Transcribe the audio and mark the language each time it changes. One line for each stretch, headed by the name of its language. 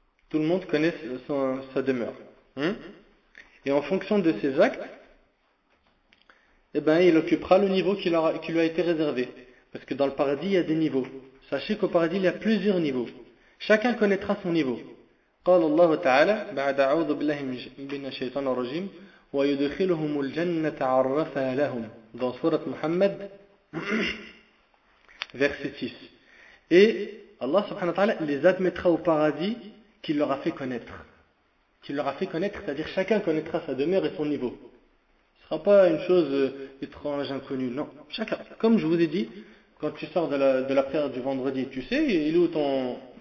French: Tout le monde connaît sa demeure. Et en fonction de ses actes, il occupera le niveau qui lui a été réservé. Parce que dans le paradis, il y a des niveaux. Sachez qu'au paradis, il y a plusieurs niveaux. Chacun connaîtra son niveau.
Arabic: قال الله تعالى بعد أعوذ بالله من الشيطان الرجيم ويدخلهم الجنة عرفها لهم
French: dans sourate Muhammad verset 6. Et Allah subhanahu wa ta'ala les admettra au paradis qu'il leur a fait connaître. Qu'il leur a fait connaître, c'est-à-dire chacun connaîtra sa demeure et son niveau. Ce ne sera pas une chose étrange, inconnue, non. Chacun, comme je vous ai dit, quand tu sors de la prière du vendredi, tu sais, il est où ton...